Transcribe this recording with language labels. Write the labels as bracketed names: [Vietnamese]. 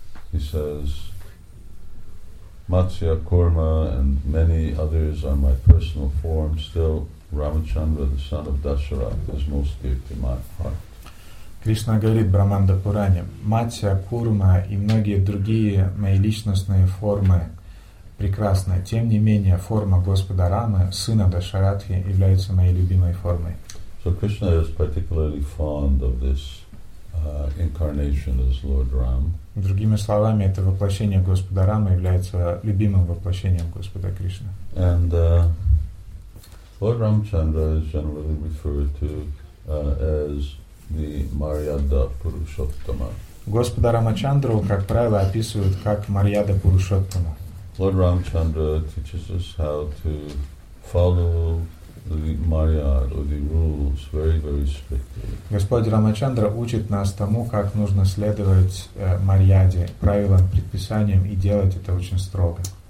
[English] He says, Matsya Kurma and many others are my personal form. Still, Ramachandra, the son of Dasharatha, is most dear to my heart. [Russian] Krishna говорит Брахманда Пуране, Матсья Курма и многие другие мои личностные формы прекрасны. Тем не менее, форма Господа Рамы, сына Дашаратхи, является моей любимой формой. [English] So Krishna is particularly fond of this incarnation as Lord Ram. [Russian] Другими словами, это воплощение Господа Рамы является любимым воплощением Господа Кришны. [English] And Lord Ramachandra is generally referred to as the Maryada Purushottama. [Russian] Господа Рамачандру, как правило, описывают как Марьяда Пурушоттама. [English] Lord Ramachandra teaches us how to follow the Maryad or the rules very, very strictly. [Russian] Господь Рамачандра учит нас тому, как нужно следовать Марьяде, правилам, предписаниям, и делать это очень строго.